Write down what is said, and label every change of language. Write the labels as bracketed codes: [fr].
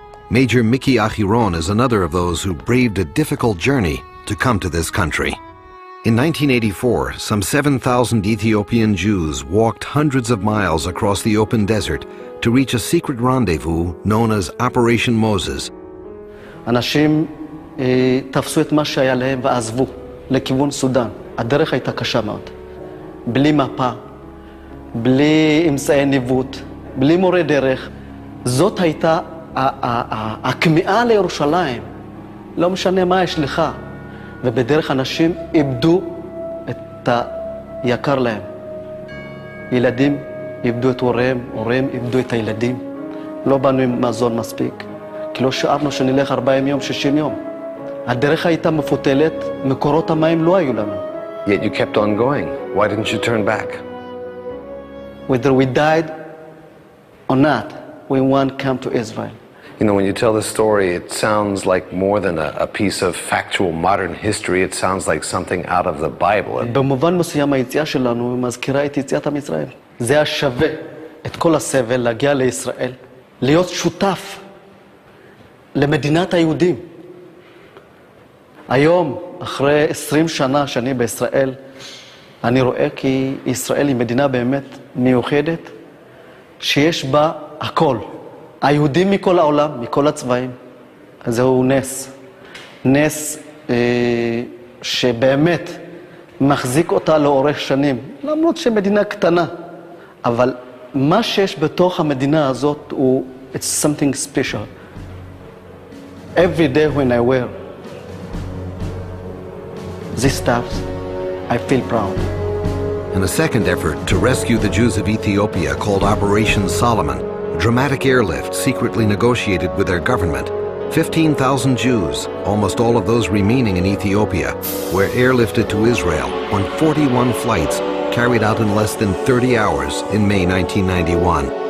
[en] Major Miki Achiron is another of those who braved a difficult journey to come to this country. In 1984, some 7,000 Ethiopian Jews walked hundreds of miles across the open desert to reach a secret rendezvous known as Operation Moses. [he] אנשים תפסו את מה שהיה להם ועזבו לכיוון סודן. הדרך הייתה קשה מאוד. בלי מפה, בלי אמצעי ניווט, בלי מורה דרך. זאת הייתה הכמיעה לירושלים. לא משנה מה יש לך. ובדרך אנשים איבדו את היקר להם. ילדים איבדו את הוריהם, הוריהם איבדו את הילדים. לא באנו עם מזון מספיק. כי לא שארנו שנלך 40 יום, 60 יום. הדרך הייתה מפוטלת, מקורות המים לא היו לנו. [en] Yet you kept on going. Why didn't you turn back? Whether we died or not, we won't come to Israel. You know, when you tell the story, it sounds like more than a piece of factual modern history. It sounds like something out of the Bible. [he] במובן מסוים, היציאה שלנו מזכירה את יציאת ישראל. זה היה שווה את כל הסבל להגיע לישראל, להיות שותף למדינת היהודים. היום, אחרי 20 שנה שאני בישראל, אני רואה כי ישראל היא מדינה באמת מיוחדת, שיש בה הכל. היהודים מכל העולם, מכל הצבעים, זהו נס. נס שבאמת מחזיק אותה לאורך שנים, למרות שמדינה קטנה. אבל מה שיש בתוך המדינה הזאת הוא, [en] it's something special. Every day when I wear these stuffs, I feel proud. In a second effort to rescue the Jews of Ethiopia called Operation Solomon, dramatic airlift secretly negotiated with their government, 15,000 Jews, almost all of those remaining in Ethiopia, were airlifted to Israel on 41 flights carried out in less than 30 hours in May 1991.